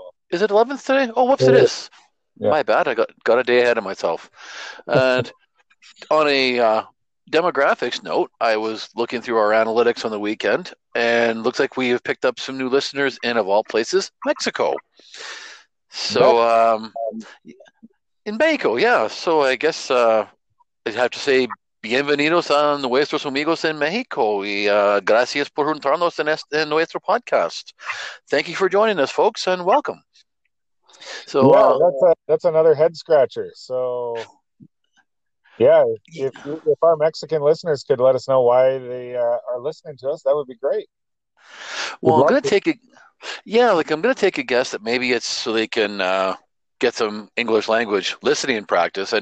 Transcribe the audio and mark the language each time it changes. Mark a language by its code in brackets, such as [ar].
[en] Is it 11th today? Oh, whoops, it is. Yeah. My bad. I got a day ahead of myself. And on a demographics note, I was looking through our analytics on the weekend, and looks like we have picked up some new listeners in, of all places, Mexico. So, in Mexico, yeah. [es] So I guess I'd have to say bienvenidos a nuestros amigos en México y gracias por juntarnos en nuestro podcast. [en] Thank you for joining us, folks, and welcome. So yeah, that's another head scratcher. So yeah, if our Mexican listeners could let us know why they are listening to us, that would be great. I'm gonna take a guess that maybe it's so they can get some English language listening practice.